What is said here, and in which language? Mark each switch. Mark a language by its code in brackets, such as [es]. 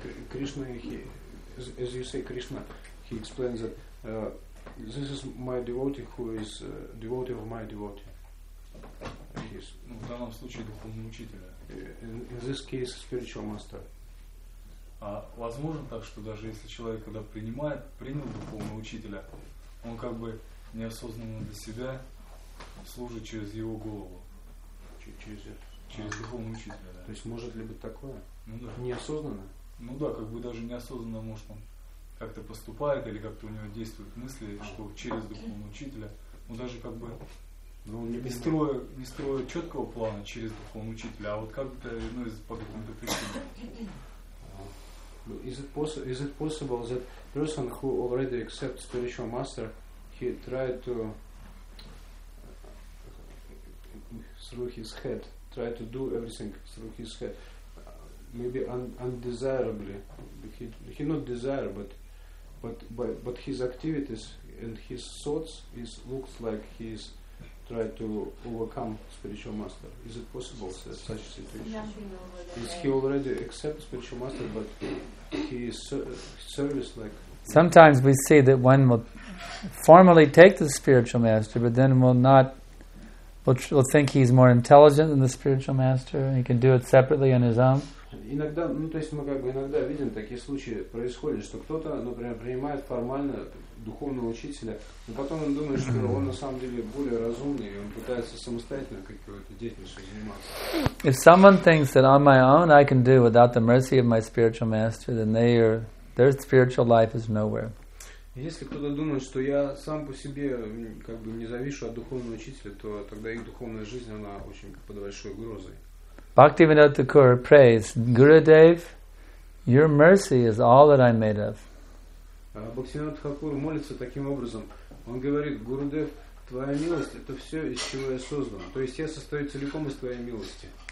[en] Кришна, as you say, Krishna, he explains that this is my devotee who is devotee of my devotee. Yes. [ru] Ну, в данном случае духовный учитель. [en] In this case, spiritual master. [ru] А возможно так, что даже если человек, когда принял духовного учителя, он как бы неосознанно для себя служит через его голову. Через духовного учителя, да. То есть может ли быть такое? Ну да. Неосознанно? Ну да, как бы даже неосознанно, может, он как-то поступает или как-то у него действуют мысли, что через духовного учителя. Ну даже как бы не строя четкого плана через духовного учителя, а вот как-то, ну, по какому-то причине. [en] Is it possible that person who already accepts spiritual master, he tried to through his head. Try to do everything through his head, maybe undesirably. He not desire, but his activities and his thoughts is looks like he's trying to overcome spiritual master. Is it possible that such situation? Is he already accept spiritual master, but he is service like? Sometimes we see that one will formally take the spiritual master, but then will not will think he's more intelligent than the spiritual master, and he can do it separately on his own. [ru] Иногда, ну то есть мы как бы иногда видим такие случаи происходят, что кто-то, например, принимает формально духовного учителя, но потом он думает, что он на самом деле более разумный, и он пытается самостоятельно какой-то деятельностью заниматься. [en] If someone thinks that on my own I can do without the mercy of my spiritual master, then their spiritual life is nowhere. [ru] Если кто-то думает, что я сам по себе как бы не завишу от духовного учителя, то тогда их духовная жизнь она очень под большой угрозой. [en] Bhaktivinoda Thakur prays, Gurudev, your mercy is all that I'm made of. [ru] Bhaktivinoda Thakur молится таким образом. Он говорит, Gurudev, твоя милость это все, из чего я создан. То есть я состою целиком из твоей милости.